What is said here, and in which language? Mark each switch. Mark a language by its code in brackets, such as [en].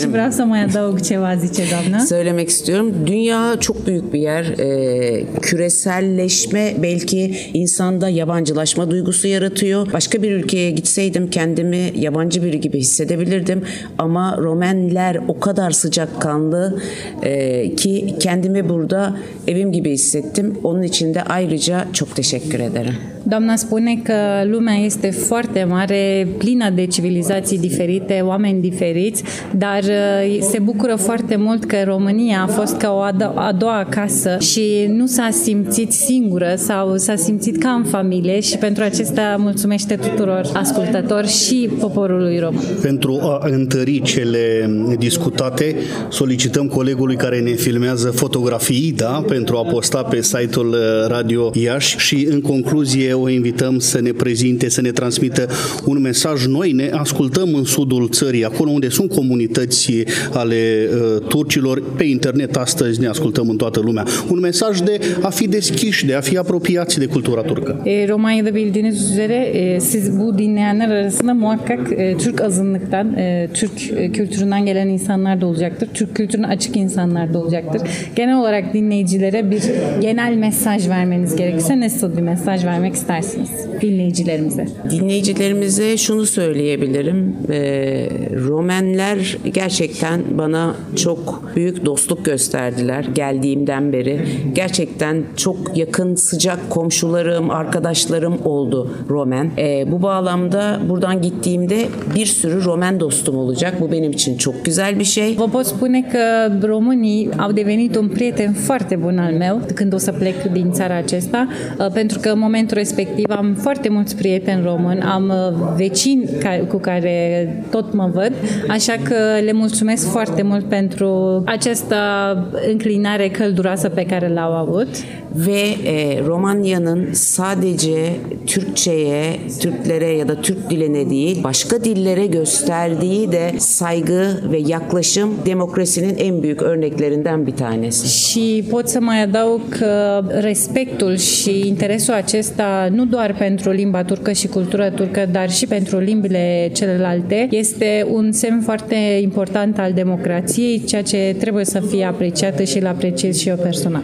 [ro] Și vreau să mai adaug ceva, zice doamna. [tr] Söylemek istiyorum. diyorum. Dünya çok büyük bir yer. Küreselleşme belki insanda yabancılaşma duygusu yaratıyor. Başka bir ülkeye gitseydim kendimi yabancı biri gibi hissedebilirdim. Ama Romenler o kadar sıcakkanlı ki kendimi burada evim gibi hissettim. Onun için de ayrıca çok teşekkür ederim. [ro] Doamna spune că lumea este foarte mare, plină de civilizații diferite, oameni diferiți, dar se bucură foarte mult că România a fost ca o a doua casă și nu s-a simțit singură sau s-a simțit ca în familie și pentru acestea mulțumește tuturor ascultător și poporului român. Pentru a întări cele discutate, solicităm colegului care ne filmează fotografii, da, pentru a posta pe site-ul Radio Iași și în concluzie o invităm să ne prezinte, să ne transmită un mesaj. Noi ne ascultăm în sudul țării, acolo unde sunt comunități ale turcilor. Pe internet astăzi ne ascultăm în toată lumea. Un mesaj de a fi deschiși, de a fi apropiați de cultura turcă. [tr] Romanya da bildiğiniz üzere siz bu dinleyenler arasında muhakkak Türk azınlıktan, Türk kültüründen gelen insanlar da olacaktır. Türk kültürüne açık insanlar da olacaktır. Genel olarak dinleyicilere bir genel mesaj vermeniz gerekirse nasıl bir mesaj vermek istersiniz dinleyicilerimize? Dinleyicilerimize şunu söyleyebilirim. Romenler gerçekten bana çok büyük dostluk gösterdiler geldiğimden beri. Gerçekten çok yakın, sıcak komşularım, arkadaşlarım oldu Romen. Bu bağlamda buradan gittiğimde bir sürü Romen dostum olacak. Bu benim için çok güzel bir şey. [ro] Vă pot spune că românii au devenit un prieten foarte bun al meu când o să plec din țara aceasta, pentru că momentul respectiv am foarte mulți prieteni români, am vecini cu care tot mă văd, așa că le mulțumesc foarte mult pentru această înclinare călduroasă pe care l-au avut. [tr] Ve Romanya'nın sadece Türkçe'ye, Türklere ya da Türk diline değil, başka dillere gösterdiği de saygı ve yaklaşım demokrasinin en büyük örneklerinden bir tanesi. [ro] Și pot să mai adaug respectul și interesul acesta nu doar pentru limba turcă și cultura turcă, dar și pentru limbile celelalte. Este un semn foarte important al democrației, ceea ce trebuie să fie apreciată și îl apreciez și eu personal.